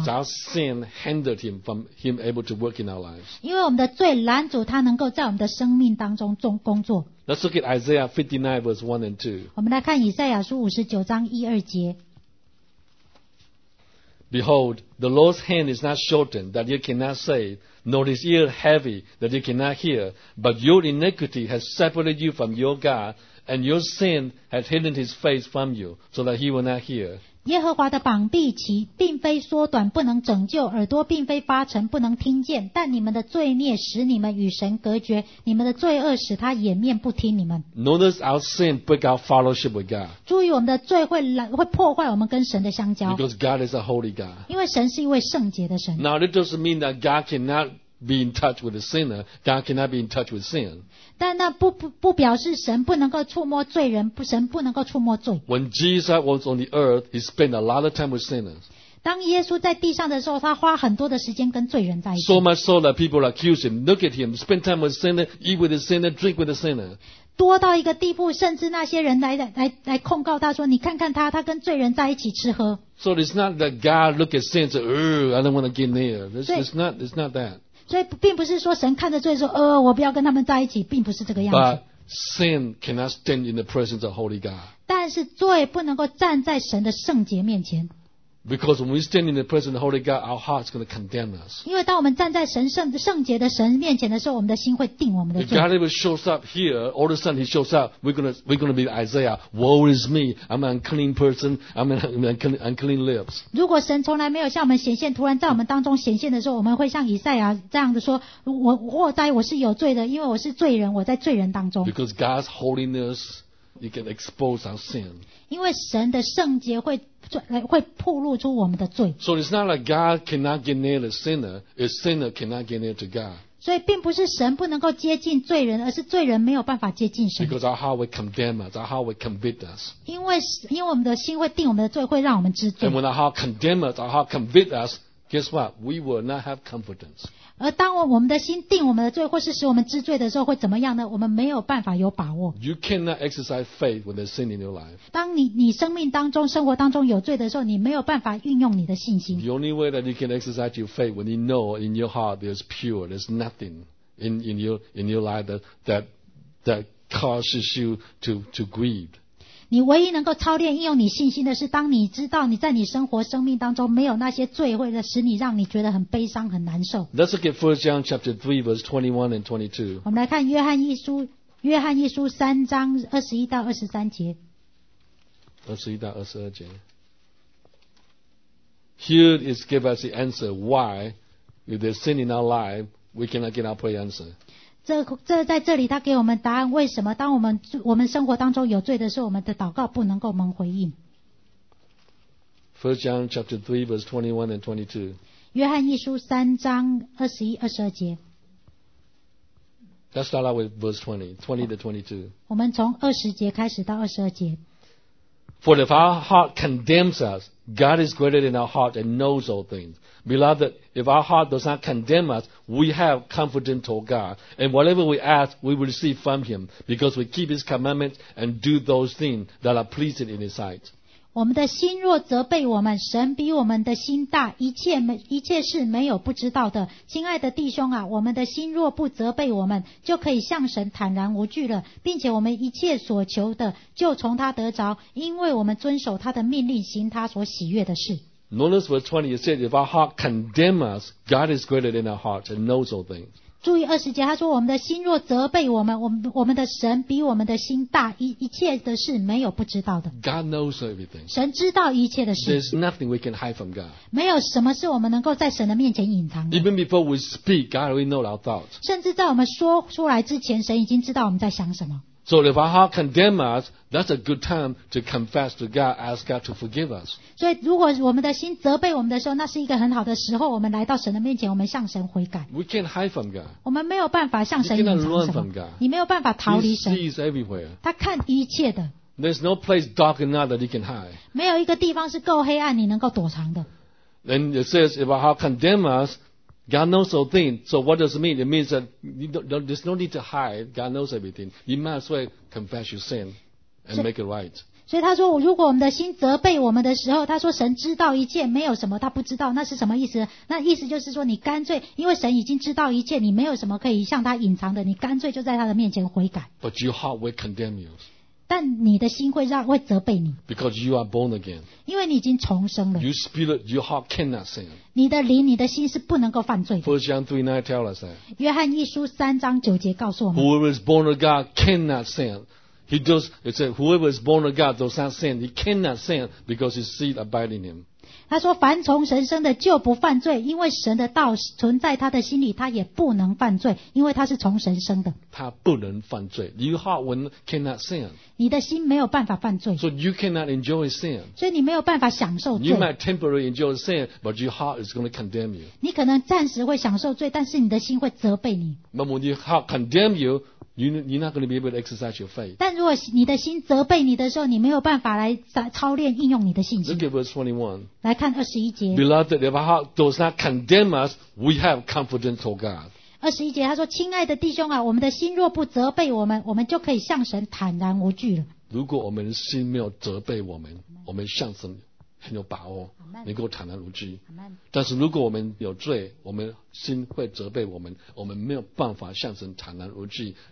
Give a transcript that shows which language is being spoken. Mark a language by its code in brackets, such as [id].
[en] Because our sin hindered him from him able to work in our lives. [zh] 因为我们的罪拦阻他能够在我们的生命当中工作。 [en] Let's look at Isaiah 59 verse 1 and 2. [zh] 我们来看以赛亚书59章一二节。 [en] Behold, the Lord's hand is not shortened that you cannot save, nor his ear heavy that you cannot hear, but your iniquity has separated you from your God, and your sin has hidden his face from you, so that he will not hear. [zh] 耶和华的膀臂其并非缩短不能拯救，耳朵并非发沉不能听见，但你们的罪孽使你们与神隔绝，你们的罪恶使他掩面不听你们。 [en] Notice our sin break our fellowship with God. [zh] 注意我们的罪 会破坏我们跟神的相交。 [en] Because God is a holy God. [zh] 因为神是一位圣洁的神。 [en] Now it doesn't mean that God cannot be in touch with a sinner. God cannot be in touch with sin. [zh] 但那 不表示神不能够触摸罪人，神不能够触摸罪。 [en] When Jesus was on the earth, he spent a lot of time with sinners. [zh] 当耶稣在地上的时候，他花很多的时间跟罪人在一起。 [en] So much so that people accuse him, look at him, spend time with sinners, eat with the sinners, drink with the sinners. [zh] 多到一个地步，甚至那些人 来控告他说，你看看他，他跟罪人在一起吃喝。 [en] So it's not that God look at sin and say, oh, I don't want to get near. It's not that. [zh] 所以并不是说神看着罪说我不要跟他们在一起，并不是这个样子。 [en] But sin cannot stand in the presence of holy God. [zh] 但是罪不能够站在神的圣洁面前。 [en] Because when we stand in the presence of holy God, our heart is going to condemn us. [zh] 因为当我们站在神圣洁的神面前的时候，我们的心会定我们的罪。 [en] If God ever shows up here, all of a sudden he shows up, we're going to be Isaiah, woe is me, I'm an unclean person, I'm an unclean lips. [zh] 如果神从来没有向我们显现，突然在我们当中显现的时候，我们会像以赛亚这样的说，我祸灾，我是有罪的，因为我是罪人，我在罪人当中。 [en] Because God's holiness, you can expose our sin. [zh] 因为神的圣洁会暴露出我们的罪。 [en] So it's not like God cannot get near the sinner, it's sinner cannot get near to God. [zh] 所以并不是神不能够接近罪人，而是罪人没有办法接近神。 [en] Because our heart will condemn us, our heart will convict us. [zh] 因为我们的心会定我们的罪，会让我们知罪。 [en] And when our heart condemns us, our heart convicts us, guess what? We will not have confidence. [zh] 而当我们的心定我们的罪，或是使我们知罪的时候，会怎么样呢？我们没有办法有把握。 [en] You cannot exercise faith when there's sin in your life. [zh] 当 你生命当中，生活当中有罪的时候，你没有办法运用你的信心。 [en] The only way that you can exercise your faith when you know in your heart there's pure, there's nothing in your life that causes you to grieve. [zh] 你唯一能够操练应用你信心的是，当你知道你在你生活生命当中没有那些罪，或者使你让你觉得很悲伤很难受。 [en] Let's look at 1 John chapter 3 verse 21 and 22. [zh] 我们来看约翰一书三章二十一到二十三节。二十一到二十二节。 [en] Here is give us the answer why if there's sin in our life, we cannot get our prayer answer. [zh] 这在这里他给我们答案，为什么当我们生活当中有罪的时候，我们的祷告不能够蒙回应。 [en] 1 John chapter 3 verse 21 and 22. [zh] 约翰一书三章二十一二十二节。 [en] Let's start out with verse 20 to 22. [zh] 我们从二十节开始到二十二节。 [en] For if our heart condemns us, God is greater than our heart and knows all things. Beloved, if our heart does not condemn us, we have confidence toward God. And whatever we ask, we will receive from Him, because we keep His commandments and do those things that are pleasing in His sight. [zh] 我们的心若责备我们，神比我们的心大，一切事没有不知道的。亲爱的弟兄啊，我们的心若不责备我们，就可以向神坦然无惧了，并且我们一切所求的就从他得着，因为我们遵守他的命令，行他所喜悦的事。 [en] Notice verse 20, it says, if our heart condemns us, God is greater than our heart and knows all things. [zh] 注意二十节，他说我们的心若责备我们，我们的神比我们的心大，一切的事没有不知道的。 [en] God knows everything. [zh] 神知道一切的事。 [en] There's nothing we can hide from God. [zh] 没有什么是我们能够在神的面前隐藏的。 [en] Even before we speak, God already knows our thoughts. [zh] 甚至在我们说出来之前，神已经知道我们在想什么。 [en] So if our heart condemns us, that's a good time to confess to God, ask God to forgive us. [zh] 所以如果我们的心责备我们的时候，那是一个很好的时候，我们来到神的面前，我们向神悔改。 [en] We can't hide from God. [zh] 我们没有办法向神隐藏什么。 [en] You cannot run from God. [zh] 你没有办法逃离神。 [en] He sees everywhere. [zh] 他看一切的。 [en] There's no place dark enough that he can hide. [zh] 没有一个地方是够黑暗你能够躲藏的。 [en] Then it says, if our heart condemns us,God knows all things. So what does it mean? It means that there's no need to hide. God knows everything. You might as well confess your sin and make it right. [zh] 所以他说，如果我们的心责备我们的时候，他说神知道一切，没有什么他不知道。那是什么意思？那意思就是说，你干脆，因为神已经知道一切，你没有什么可以向他隐藏的，你干脆就在他的面前悔改。 [en] But your heart will condemn you. [zh] 但你的心会责备你。 [en] Because you are born again. [zh] 因为你已经重生了。 [en] Your spirit, your heart cannot sin. [zh] 你的灵，你的心是不能够犯罪的。 [en] First John 3:9 tells us that. [zh] 约翰一书三章九节告诉我们。 [en] Whoever is born of God cannot sin. He does. He said, "Whoever is born of God does not sin. He cannot sin because his seed abides in him." [zh] 他说：“凡从神生的就不犯罪，因为神的道存在他的心里，他也不能犯罪，因为他是从神生的。” 他不能犯罪。 [en] Your heart will cannot sin. [zh] 你的心没有办法犯罪。 [en] So you cannot enjoy sin. [zh] 所以你没有办法享受罪。 [en] You might temporarily enjoy sin, but your heart is going to condemn you. [zh] 你可能暂时会享受罪，但是你的心会责备你。 [en] But when your heart condemns you. You're not going to be able to exercise your faith. [zh] 但如果你的心责备你的时候，你没有办法来操练应用你的信心。 [en] Look at verse 21. [zh] 来看二十一节。 [en] Beloved, if our heart does not condemn us, we have confidence toward God. [zh] 二十一节他说：“亲爱的弟兄啊，我们的心若不责备我们，我们就可以向神坦然无惧了。” 如果我们的心没有责备我们，我们向神很有把握，能够坦然无惧。但是如果我们有罪，我们心会责备我们，我们没有办法向神坦然无惧。